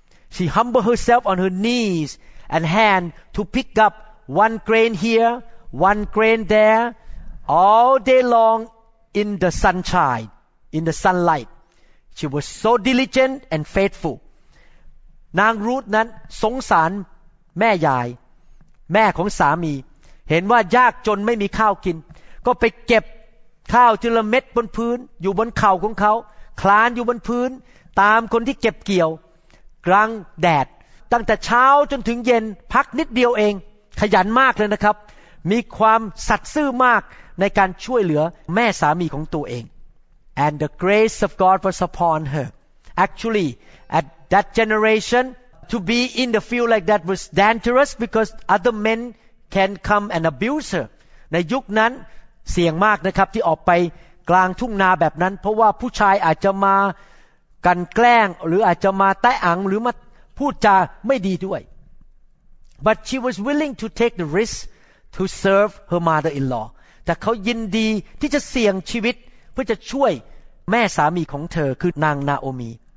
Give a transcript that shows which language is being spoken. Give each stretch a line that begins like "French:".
English: She humbled herself on her knees and hand to pick up one grain here, one grain there, all day long in the sunshine, in the sunlight. She was so diligent and faithful.
Thai: นางรูธนั้นสงสารแม่ยายแม่ของสามีเห็นว่ายากจนไม่มีข้าวกินก็ไปเก็บข้าวทีละเม็ดบนพื้นอยู่บนเข่าของเขาคลานอยู่บนพื้นตามคนที่เก็บเกี่ยวกลางแดดตั้งแต่เช้าจนถึงเย็นพักนิดเดียวเองขยันมากเลยนะครับมีความสัตย์ซื่อมากในการช่วยเหลือแม่สามีของตัวเอง
English: And the grace of God was upon her. Actually, at that generation, to be in the field like that was dangerous because other men can come and abuse her.
Thai: ในยุคนั้นเสี่ยงมากนะครับที่ออกไปกลางทุ่งนาแบบนั้นเพราะว่าผู้ชายอาจจะมากันแกล้งหรืออาจจะมาแตะอังหรือมาพูดจาไม่ดีด้วย
English: But she was willing to take the risk to serve her mother-in-law.
Thai: แต่เขายินดีที่จะเสี่ยงชีวิตเพื่อจะช่วยแม่สามีของเธอคือนางนาโอมี